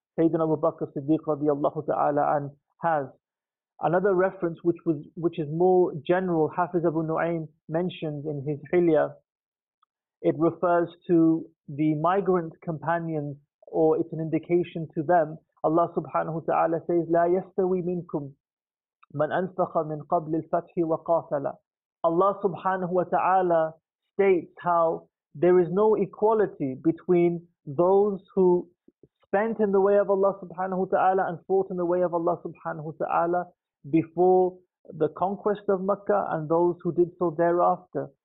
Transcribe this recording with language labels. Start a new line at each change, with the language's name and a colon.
English: Sayyidina Abu Bakr Siddiq radiyallahu ta'ala an has. Another reference which is more general, Hafiz Abu Nu'aym mentions in his Hilya, it refers to the migrant companions, or it's an indication to them.
Arabic: Allah subhanahu wa ta'ala says, لا يستوي منكم من أنفق من قبل الفتح وقاتل.
English: Allah subhanahu wa ta'ala states how there is no equality between those who spent in the way of Allah subhanahu wa ta'ala and fought in the way of Allah subhanahu wa ta'ala before the conquest of Makkah and those who did so thereafter.